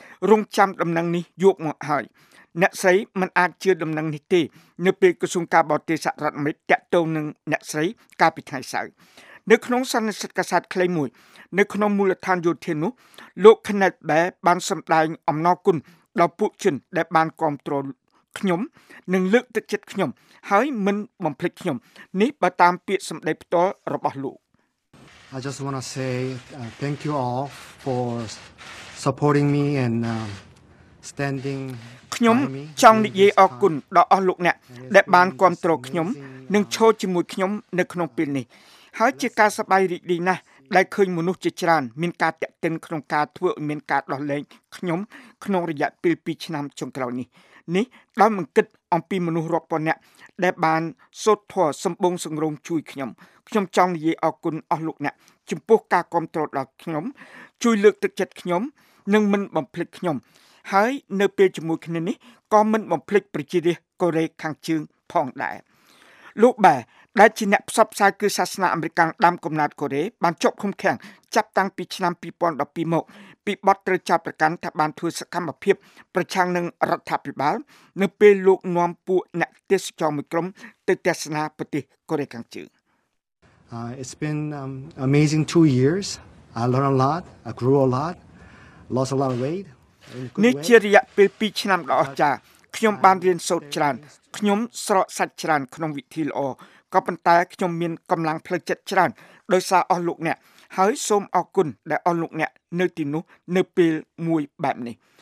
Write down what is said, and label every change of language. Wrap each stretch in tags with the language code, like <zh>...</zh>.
<km>រងចាំដំណឹងនេះយកមកហើយអ្នកស្រីមិនអាចជឿដំណឹងនេះទេនៅពេលក្រសួងការបរទេសសហរដ្ឋអាមេរិកតាក់ទងនឹងអ្នកស្រីកាលពីថ្ងៃសៅរ៍នៅក្នុងសន្និសីទកាសែតខ្លីមួយនៅក្នុងមូលដ្ឋានយោធានោះលោក Kenneth Bear បានសម្ដែងអំណរគុណដល់ពួកជនដែលបានគ្រប់គ្រងខ្ញុំនិងលើកទឹកចិត្តខ្ញុំហើយមិនបំភ្លេចខ្ញុំនេះបើតាមពាក្យសម្ដីផ្ទាល់របស់លោក</km> <en>I just want to say thank you all for supporting me and standing</en> <km>ខ្ញុំចង់និយាយអរគុណដល់អស់លោកអ្នកដែលបានគ្រប់គ្រងខ្ញុំនិងឈរជាមួយខ្ញុំនៅក្នុងពេលនេះហើយជាការសប្បាយរីករាយណាស់ដែលឃើញមនុស្សជាច្រើនមានការតាក់ទិនក្នុងការធ្វើឲ្យមានការដោះលែងខ្ញុំក្នុងរយៈពេល2ឆ្នាំចុងក្រោយនេះ នេះដោយមិនគិតអំពីមនុស្សរាប់ពាន់នាក់ដែលបានសូត្រធម៌សម្បងសង្រងជួយខ្ញុំខ្ញុំចង់និយាយអរគុណអស់លោកអ្នកចំពោះការគាំទ្រដល់ខ្ញុំជួយលើកទឹកចិត្តខ្ញុំនិងមិនបំភ្លេចខ្ញុំហើយនៅពេលជាមួយគ្នានេះក៏មិនបំភ្លេចប្រជារាស្ត្រកូរ៉េខាងជើងផងដែរ លោកបែដែលជាអ្នកផ្សព្វផ្សាយគឺសាសនាអមេរិកាំងដើមកំណើតកូរ៉េបានជាប់ឃុំឃាំងចាប់តាំងពីឆ្នាំ2012មកពីបទត្រូវចាប់ប្រកាន់ថាបានធ្វើសកម្មភាពប្រឆាំងនឹងរដ្ឋាភិបាលនៅពេលលោកនាំពួកអ្នកទេសចរមួយក្រុមទៅទស្សនាប្រទេសកូរ៉េខាងជើង</km> <en>It's been amazing 2 years I learned a lot I grew a lot lost a lot of weight</en> <km>នេះជារយៈពេល2ឆ្នាំដ៏អស្ចារ្យខ្ញុំបានរៀនសូត្រច្រើនខ្ញុំស្រកសាច់ច្រើនក្នុងវិធីល្អក៏ប៉ុន្តែខ្ញុំមានកម្លាំងផ្លូវចិត្តច្រើនដោយសារអស់លោកអ្នកហើយសូមអរគុណដែលអស់លោកអ្នកនៅទីនោះនៅពេលមួយបែបនេះ</km>